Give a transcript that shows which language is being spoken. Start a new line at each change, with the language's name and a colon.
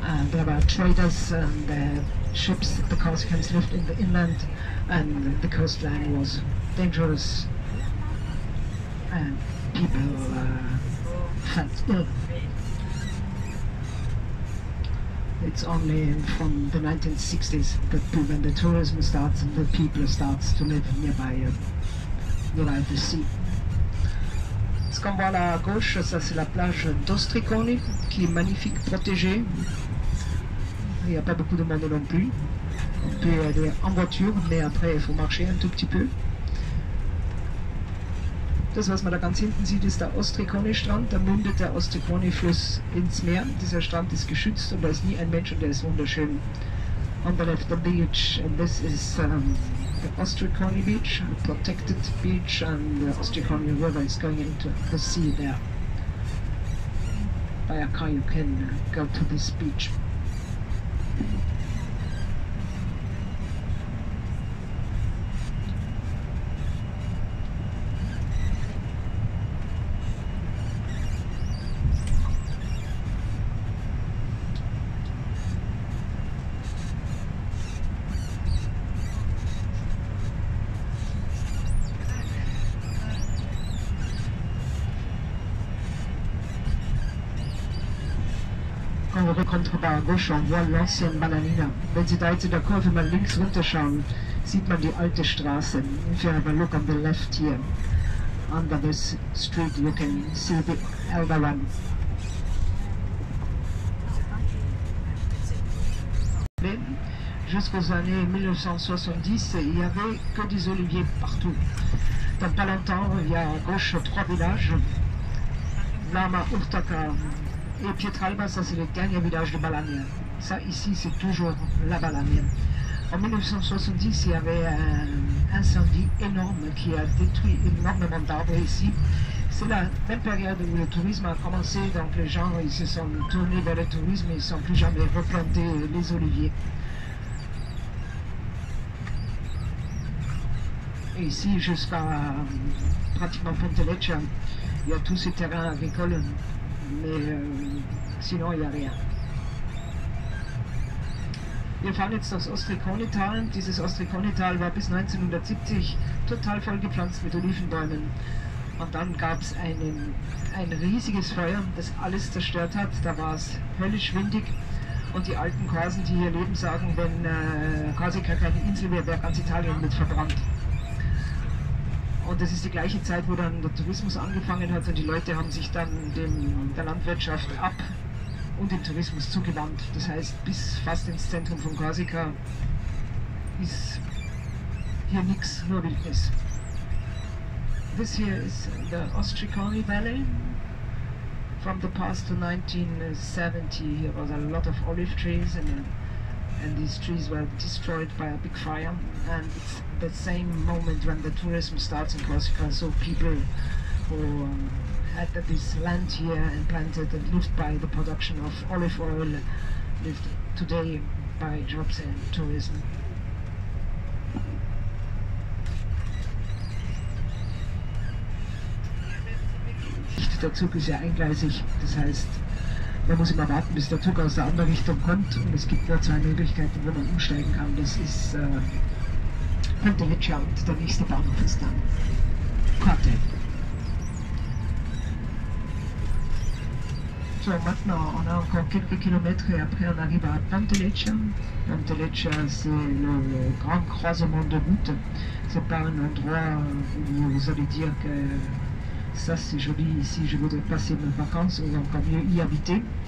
English: There were traders and ships that the Corsicans lived in the inland, and the coastline was dangerous and people felt ill. It's only from the 1960s that when the tourism starts and the people start to live nearby, nearby the sea.
French: Ce qu'on voit là à gauche, ça c'est la plage d'Ostricone, qui est magnifique, protégée. Il n'y a pas beaucoup de monde non plus. On peut aller en voiture, mais après il faut marcher un tout petit peu.
German: Das, was man da ganz hinten sieht, ist der Ostricone-Strand. Da mündet der Ostricone-Fluss ins Meer. Dieser Strand ist geschützt und da ist nie ein Mensch und der ist wunderschön.
English: On the left, the beach. And this is the Ostricone beach, a protected beach, and the Ostricone river is going into the sea there. By a car you can go to this beach. obere Kontrabar Goschon, wo l'ancienne Bananina.
German: Wenn Sie da jetzt in der Kurve mal links runterschauen, sieht man die alte Straße.
English: If you have a look on the left here, under this street, you can see the elder one.
French: Jusqu'aux années 1970, il n'y avait que des oliviers partout. Dans pas longtemps, il y a à gauche trois villages, Lama, Urtaka et Pietralba, ça c'est le dernier village de Balania. Ça ici, c'est toujours la Balania. En 1970, il y avait un incendie énorme qui a détruit énormément d'arbres ici. C'est la même période où le tourisme a commencé, donc les gens ils se sont tournés vers le tourisme et ils ne sont plus jamais replantés les oliviers. Et ici, jusqu'à pratiquement Pontelletcha, il y a tous ces terrains agricoles, mais sinon, il n'y a rien.
German: Wir fahren jetzt das Ostrikonetal. Dieses Ostrikonetal war bis 1970 total voll gepflanzt mit Olivenbäumen. Und dann gab es ein riesiges Feuer, das alles zerstört hat. Da war es höllisch windig. Und die alten Korsen, die hier leben, sagen, wenn Korsika keine Insel wäre, wäre ganz Italien mit verbrannt. Und das ist die gleiche Zeit, wo dann der Tourismus angefangen hat und die Leute haben sich dann der Landwirtschaft ab und dem Tourismus zugewandt. Das heißt, bis fast ins Zentrum von Korsika ist hier nichts, nur Wildnis.
English: This here is the Ostrikoni Valley. From the past to 1970, here was a lot of olive trees and these trees were destroyed by a big fire. And it's the same moment when the tourism starts in Corsica. So people who had this land here and planted and lived by the production of olive oil lived today by jobs and tourism.
German: Der Zug ist ja eingleisig, das heißt, man muss immer warten, bis der Zug aus der anderen Richtung kommt. Und es gibt nur zwei Möglichkeiten, wo man umsteigen kann. Das ist Pontelletcha und der nächste Bahnhof ist dann Corte.
French: So, maintenant, on a encore quelques kilomètres et après on arrive à Pontelletcha. Pontelletcha, c'est le grand croisement de route. C'est pas un endroit où vous allez dire que ça c'est joli ici, je voudrais passer mes vacances ou encore mieux y habiter.